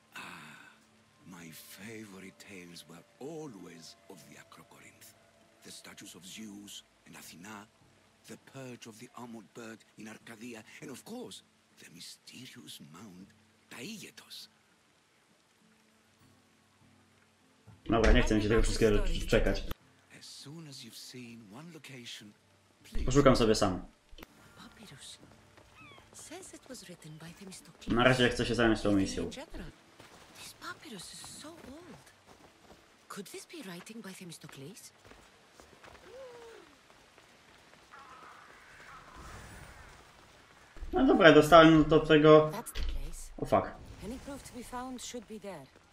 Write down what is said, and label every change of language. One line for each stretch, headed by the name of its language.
English: Ah, my favorite tales were always of the Acrocorinth. The statues of Zeus and Athena. The perch of the armored bird in Arcadia, and of course, the mysterious mount Taygetos.
Polish: No, nie chcę mi się tego wszystkiego czekać.
English: As soon as you've seen one location, please.
Polish: Poszukam sobie sam.
English: Papyrus says it was written by Themistocles.
Polish: Na razie chcę się zająć tą misją.
English: This papyrus is so old. Could this be writing by Themistocles?
Polish: No dobra, dostałem do tego... O, fuck.
English: Any proof to be found should be there.